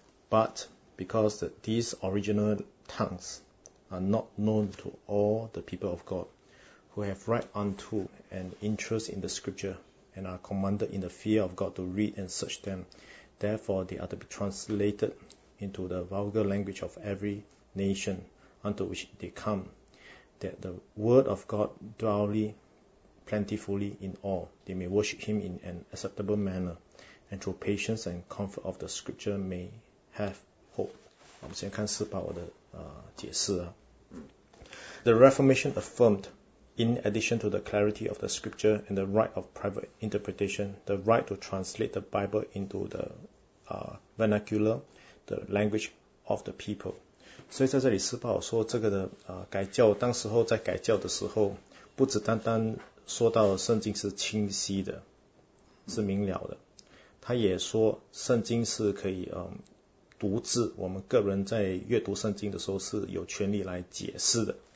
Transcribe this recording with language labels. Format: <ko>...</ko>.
<en>But because these original tongues are not known to all the people of God, who have right unto and interest in the scripture, and are commanded in the fear of God to read and search them, therefore they are to be translated into the vulgar language of every nation unto which they come, that the word of God dwell plentifully in all, they may worship him in an acceptable manner, and through patience and comfort of the scripture may have hope.</en> <zh>我们先看斯巴尔的解释啊。</zh> <en>The Reformation affirmed, in addition to the clarity of the scripture and the right of private interpretation, the right to translate the Bible into the vernacular, the language of the people.</en> <zh>所以在这里斯巴尔说这个的改教，当时候在改教的时候，不只单单说到圣经是清晰的，是明了的，他也说圣经是可以独自，我们个人在阅读圣经的时候是有权利来解释的。</zh>